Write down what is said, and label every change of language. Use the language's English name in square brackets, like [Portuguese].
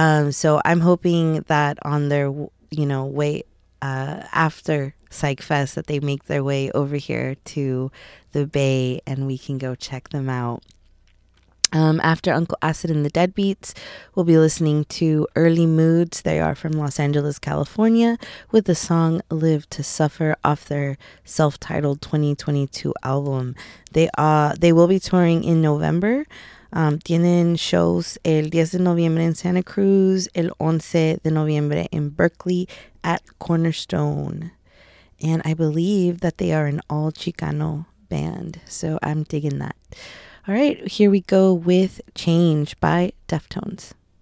[English] So I'm hoping that on their, you know, way after Psych Fest, that they make their way over here to the Bay and we can go check them out. After Uncle Acid and the Deadbeats, we'll be listening to Early Moods. They are from Los Angeles, California, with the song Live to Suffer off their self-titled 2022 album. They will be touring in November. [Spanish] Tienen shows el 10 de noviembre en Santa Cruz, el 11 de noviembre [English] in Berkeley at Cornerstone. And I believe that they are an all Chicano band. So I'm digging that. All right, here we go with Change by Deftones.